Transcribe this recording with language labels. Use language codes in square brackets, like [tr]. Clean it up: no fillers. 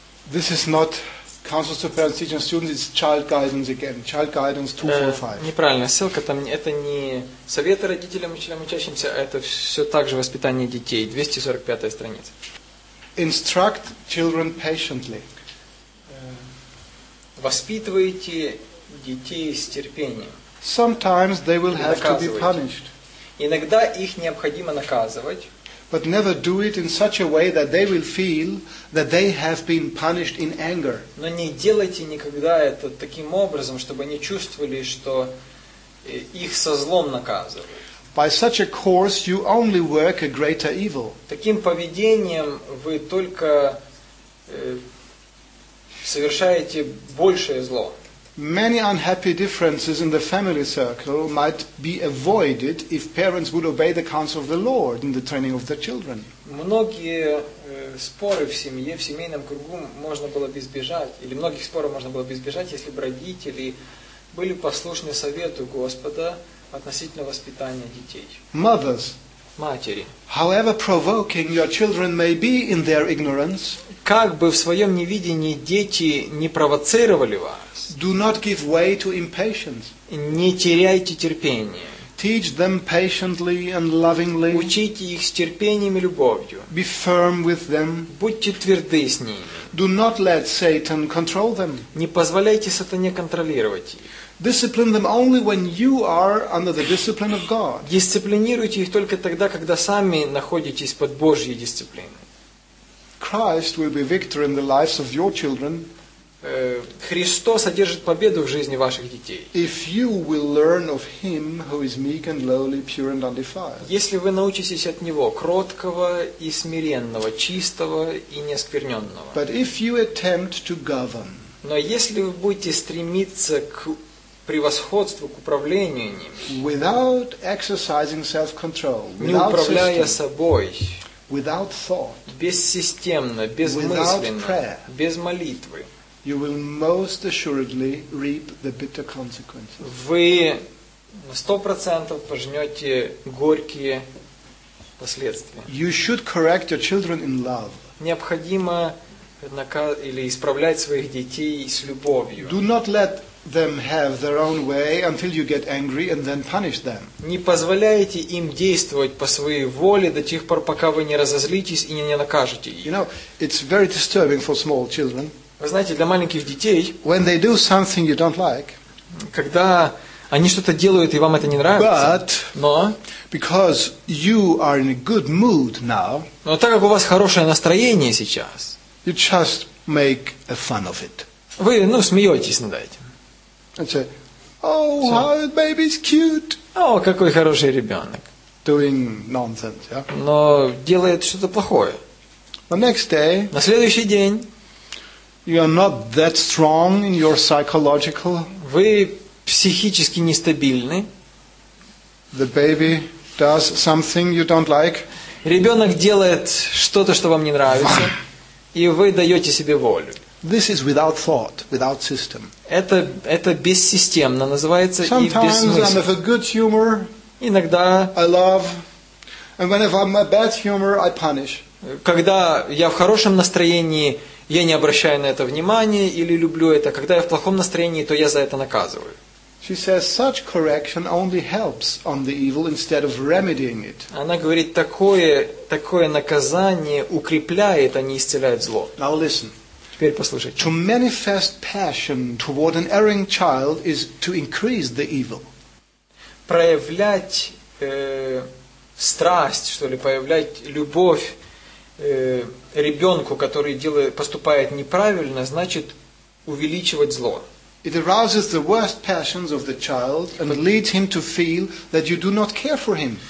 [en] This is not counsels to parents, teachers, students. It's child guidance again. Child guidance 245. [ru] Неправильно. Ссылка там. Это не советы родителям, учителям, учащимся. Это все также воспитание детей. 245 страница. [en] Instruct children patiently. [ru] Воспитывайте детей с терпением. [en] Sometimes they will have to be punished. [ru] Иногда их необходимо наказывать. [en] But never do it in such a way that they will feel that they have been punished in anger. [ru] Но не делайте никогда это таким образом, чтобы они чувствовали, что их со злом наказывают. [en] By such a course you only work a greater evil. [ru] Таким поведением вы только совершаете большее зло. [en] Many unhappy differences in the family circle might be avoided if parents would obey the counsel of the Lord in the training of their children. [ru] Многие споры в семье, в семейном кругу можно было бы избежать, или многих споров можно было бы избежать, если бы родители были послушны совету Господа относительно воспитания детей. [en] Mothers, [ru] матери, [en] however provoking your children may be in their ignorance, [ru] как бы в своем неведении дети не провоцировали вас, [en] do not give way to impatience. [ru] Не теряйте терпение. [en] Teach them patiently and lovingly. [ru] Учите их с терпением и любовью. [en] Be firm with them. [ru] Будьте тверды с ними. [en] Do not let Satan control them. [ru] Не позволяйте сатане контролировать их. [en] Discipline them only when you are under the discipline of God. [ru] Дисциплинируйте их только тогда, когда сами находитесь под Божьей дисциплиной. [en] Christ will be victor in the lives of your children. [ru] Христос одержит победу в жизни ваших детей. [en] If you will learn of him who is meek and lowly, pure and undefiled. [ru] Если вы научитесь от него, кроткого и смиренного, чистого и неоскверненного. [en] But if you attempt to govern. [ru] Но если вы будете стремиться к превосходству, к управлению ним. [en] Without exercising self-control. [ru] Не управляя собой. [en] Without thought, [ru] бессистемно, безмысленно, [en] prayer, [ru] без молитвы, [en] you will most assuredly reap the bitter consequences. [ru] Вы 100% пожнете горькие последствия. [en] You should correct your children in love. [ru] Необходимо или исправлять своих детей с любовью. [en] Do not let them have their own way until you get angry and then punish them. [ru] Не позволяйте им действовать по своей воле до тех пор, пока вы не разозлитесь и не накажете их. [en] You know, it's very disturbing for small children. [ru] Вы знаете, для маленьких детей, [en] when they do something you don't like, [ru] когда они что-то делают и вам это не нравится, [en] but [ru] но [en] because you are in a good mood now, [ru] но так как у вас хорошее настроение сейчас, [en] you just make a fun of it. [ru] Вы, ну, смеетесь над этим. [en] And say, oh, how baby's cute. [ru] О, какой хороший ребенок. [en] Doing nonsense, yeah? [ru] Но делает что-то плохое. [en] The next day, [ru] на следующий день, [en] you are not that strong in your psychological. [ru] Вы психически нестабильны. [en] The baby does something you don't like. [ru] Ребенок делает что-то, что вам не нравится, и вы даете себе волю. [en] This is without thought, without system. [ru] Это бессистемно называется. [en] Sometimes [ru] и бессмысленно. [en] I'm of a good humor. [ru] Иногда [en] I love, and when if I'm a bad humor, I punish. [ru] Когда я в хорошем настроении, я не обращаю на это внимания или люблю это. Когда я в плохом настроении, то я за это наказываю. [en] She says such correction only helps on the evil instead of remedying it. [ru] Она говорит, такое наказание укрепляет, а не исцеляет зло. [en] Now listen. [ru] Теперь послушайте. [en] To manifest passion toward an erring child is to increase the evil. [ru] Проявлять страсть, что ли, проявлять любовь ребенку, который делает, поступает неправильно, значит увеличивать зло. [en] It arouses the worst passions of the child and leads him to feel that you do not care for him.